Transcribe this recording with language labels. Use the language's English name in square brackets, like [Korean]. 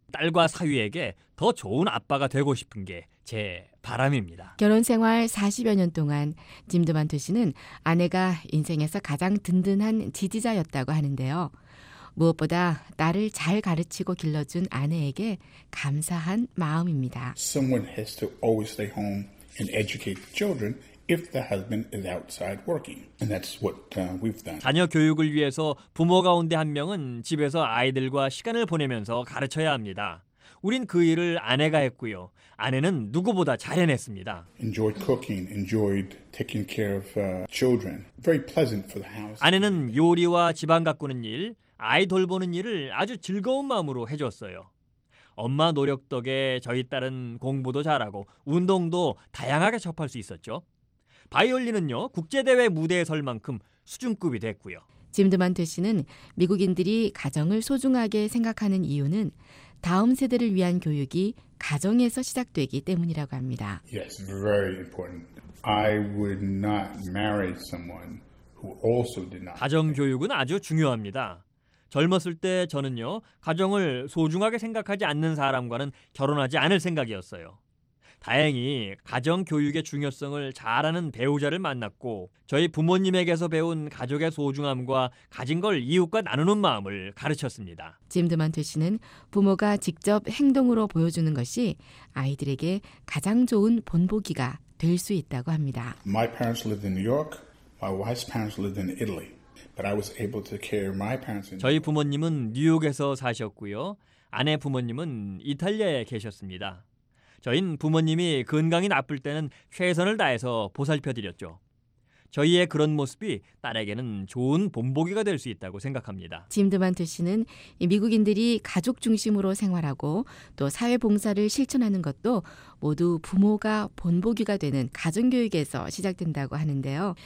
[Korean] 딸과 사위에게 더 좋은 아빠가 되고 싶은 게 제 바람입니다. 결혼 생활 40여 년 동안 짐 드만토 씨는 아내가 인생에서 가장 든든한 지지자였다고 하는데요. 무엇보다 딸을 잘 가르치고 길러준 아내에게 감사한 마음입니다. [English] Someone has to always stay home and educate the children if the husband is outside working. And that's what we've done. [Korean] 자녀 교육을 위해서 부모 가운데 한 명은 집에서 아이들과 시간을 보내면서 가르쳐야 합니다. 우린 그 일을 아내가 했고요. 아내는 누구보다 잘 해냈습니다. [English] Enjoyed cooking, enjoyed taking care of children. Very pleasant for the house. [Korean] 아내는 요리와 집안 가꾸는 일, 아이 돌보는 일을 아주 즐거운 마음으로 해줬어요. 엄마 노력 덕에 저희 딸은 공부도 잘하고 운동도 다양하게 접할 수 있었죠. 바이올린은요, 국제대회 무대에 설 만큼 수준급이 됐고요. 짐 드만토 씨는 미국인들이 가정을 소중하게 생각하는 이유는 다음 세대를 위한 교육이 가정에서 시작되기 때문이라고 합니다. [English] Yes, very important. I would not marry someone who also did not. [Korean] 가정 교육은 아주 중요합니다. 젊었을 때 저는요, 가정을 소중하게 생각하지 않는 사람과는 결혼하지 않을 생각이었어요. 다행히 가정 교육의 중요성을 잘 아는 배우자를 만났고 저희 부모님에게서 배운 가족의 소중함과 가진 걸 이웃과 나누는 마음을 가르쳤습니다. 짐 드만토 씨는 부모가 직접 행동으로 보여주는 것이 아이들에게 가장 좋은 본보기가 될 수 있다고 합니다. [English] My parents lived in New York. My wife's parents lived in Italy. But I was able to care for my parents. [Korean] 저희 부모님은 뉴욕에서 사셨고요. 아내 부모님은 이탈리아에 계셨습니다. 저희는 부모님이 건강이 나쁠 때는 최선을 다해서 보살펴드렸죠. 저희의 그런 모습이 딸에게는 좋은 본보기가 될 수 있다고 생각합니다. 짐 드만트 씨는 미국인들이 가족 중심으로 생활하고 또 사회봉사를 실천하는 것도 모두 부모가 본보기가 되는 가정교육에서 시작된다고 하는데요.